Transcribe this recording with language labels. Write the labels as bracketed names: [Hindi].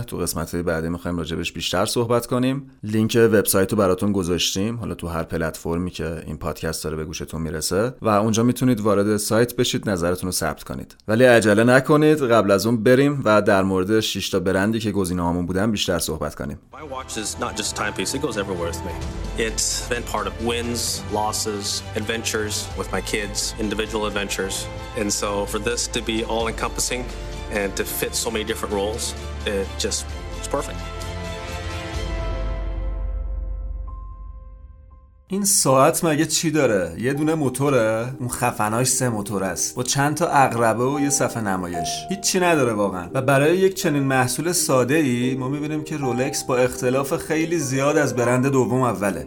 [Persian] تو قسمت‌های بعدی می‌خوایم راجبش بیشتر صحبت کنیم. لینک وبسایت رو براتون گذاشتیم، حالا تو هر پلتفرمی که این پادکست داره به گوشتون میرسه، و اونجا میتونید وارد سایت بشید، نظرتون رو ثبت کنید. ولی عجله نکنید، قبل از اون بریم و در مورد 6 تا برندی که گزینه‌هامون بودن بیشتر صحبت کنیم. [English] My watch is not just timepiece, it goes everywhere with me. It's been part of wins, losses, adventures with my kids, individual adventures. And so for this to be all encompassing and to fit so many different roles, it just perfect. [Persian] این ساعت مگه چی داره؟ یه دونه موتوره؟ اون خفناش 3 موتور است با چند تا عقربه و یه صفحه نمایش. هیچی نداره واقعا. و برای یک چنین محصول ساده ای ما میبینیم که رولکس با اختلاف خیلی زیاد از برند دوم اوله.